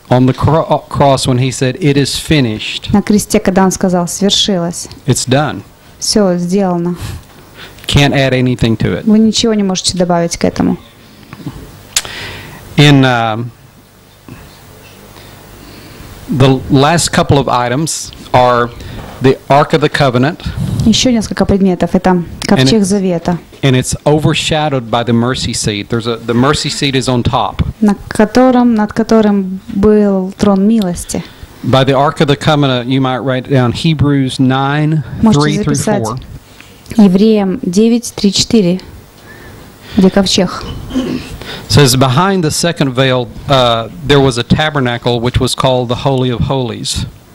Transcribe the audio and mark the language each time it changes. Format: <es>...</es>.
<en>On the cross, when He said, "It is finished."</en> <ru>На кресте, когда Он сказал, свершилось.</ru> <en>It's done.</en> <ru>Все сделано.</ru> <en>Can't add anything to it.</en> <ru>Вы ничего не можете добавить к этому.</ru> <en>In the last couple of items are the Ark of the Covenant.</en> <ru>Еще несколько предметов. Это ковчег Завета.</ru> <en>And it's overshadowed by the mercy seat. The mercy seat is on top.</en> <ru>Над которым был трон милости.</ru> <en>By the Ark of the Covenant, you might write down Hebrews 9:3-4.</en> <ru>Евреям 9:3-4. Где ковчег?</ru> <en>Says behind the second veil there was a tabernacle which was called the Holy of Holies.</en>